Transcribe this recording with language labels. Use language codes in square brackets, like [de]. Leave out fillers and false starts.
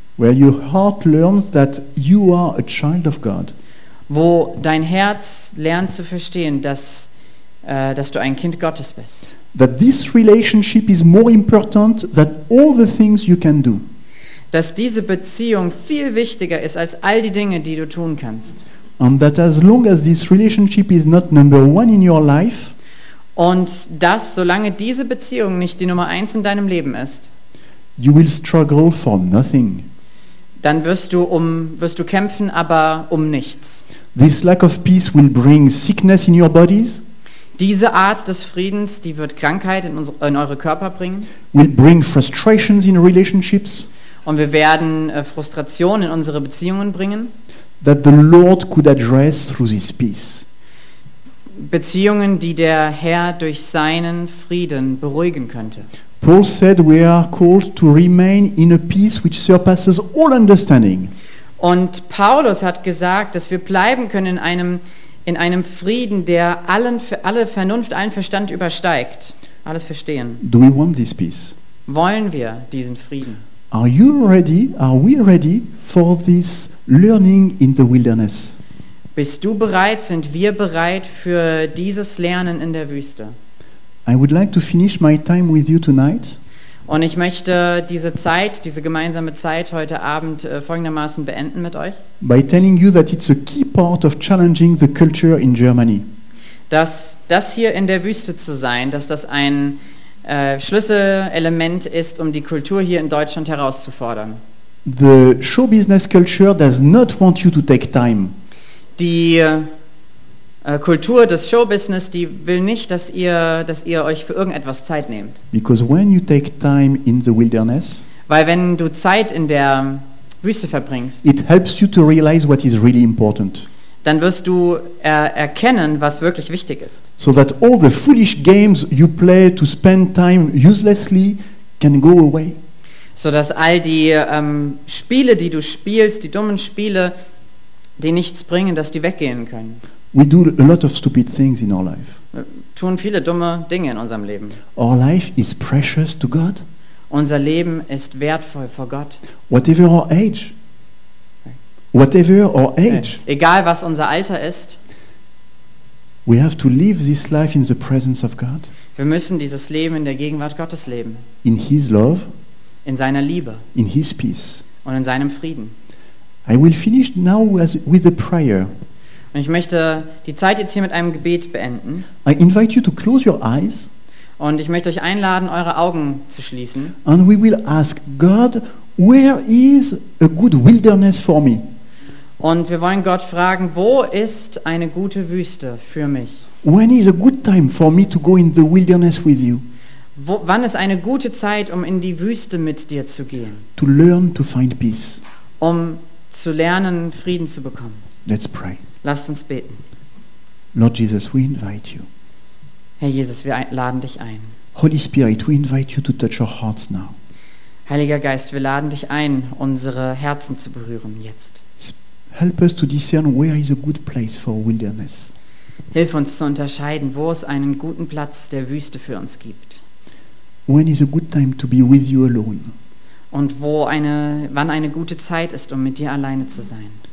[en] Where your heart learns that you are a child of God. [de] wo dein Herz lernt zu verstehen, dass du ein Kind Gottes bist. [en] That this relationship is more important than all the things you can do. [de] Dass diese Beziehung viel wichtiger ist als all die Dinge, die du tun kannst. [en] And that as long as this relationship is not number one in your life, [de] und dass solange diese Beziehung nicht die Nummer eins in deinem Leben ist, [en] you will struggle for nothing. [de] Dann wirst du kämpfen, aber um nichts. [en] This lack of peace will bring sickness in your bodies. [de] Diese Art des Friedens, die wird Krankheit in eure Körper bringen. [en] Will bring frustrations in relationships. [de] Und wir werden Frustration in unsere Beziehungen bringen. [en] That the Lord could address through this peace. [de] Beziehungen, die der Herr durch seinen Frieden beruhigen könnte. [en] Paul said we are called to remain in a peace which surpasses all understanding. [de] Und Paulus hat gesagt, dass wir bleiben können in einem Frieden, der alle Vernunft, allen Verstand übersteigt. Alles verstehen. [en] Do we want this peace? [de] Wollen wir diesen Frieden? [en] Are you ready? Are we ready for this learning in the wilderness? [de] Bist du bereit? Sind wir bereit für dieses Lernen in der Wüste? [en] I would like to finish my time with you tonight. [de] Und ich möchte diese Zeit, diese gemeinsame Zeit heute Abend folgendermaßen beenden mit euch. [en] By telling you that it's a key part of challenging the culture in Germany. [de] Dass das hier in der Wüste zu sein, dass das ein Schlüsselelement ist, um die Kultur hier in Deutschland herauszufordern. [en] The show business culture does not want you to take time. [de] Die Kultur des Showbusiness, die will nicht, dass ihr euch für irgendetwas Zeit nehmt. [en] Because when you take time in the wilderness, [de] weil wenn du Zeit in der Wüste verbringst, [en] it helps you to realize what is really important. [de] Dann wirst du erkennen, was wirklich wichtig ist. [en] So that all the foolish games you play to spend time uselessly can go away. [de] So dass all die Spiele, die du spielst, die dummen Spiele, die nichts bringen, dass die weggehen können. [en] We do a lot of stupid things in our life. [de] Wir tun viele dumme Dinge in unserem Leben. [en] Our life is precious to God. [de] Unser Leben ist wertvoll vor Gott. [en] Whatever our age. Whatever our age. [de] Egal was unser Alter ist. [en] We have to live this life in the presence of God. [de] Wir müssen dieses Leben in der Gegenwart Gottes leben. [en] In His love. [de] In seiner Liebe. [en] In His peace. [de] Und in seinem Frieden. [en] I will finish now with a prayer. [de] Und ich möchte die Zeit jetzt hier mit einem Gebet beenden. [en] I invite you to close your eyes. [de] Und ich möchte euch einladen, eure Augen zu schließen. [en] And we will ask God, where is a good wilderness for me? [de] Und wir wollen Gott fragen, wo ist eine gute Wüste für mich? [en] When is a good time for me to go in the wilderness with you? [de] Wann ist eine gute Zeit, um in die Wüste mit dir zu gehen? [en] To learn to find peace. [de] Um zu lernen, Frieden zu bekommen. [en] Let's pray. [de] Lasst uns beten. [en] Lord Jesus, we invite you. [de] Herr Jesus, wir laden dich ein. [en] Holy Spirit, we invite you to touch our hearts now. [de] Heiliger Geist, wir laden dich ein, unsere Herzen zu berühren jetzt. [en] Help us to discern where is a good place for wilderness. [de] Hilf uns zu unterscheiden, wo es einen guten Platz der Wüste für uns gibt. [en] When is a good time to be with you alone? [de] Und wann eine gute Zeit ist, um mit dir alleine zu sein.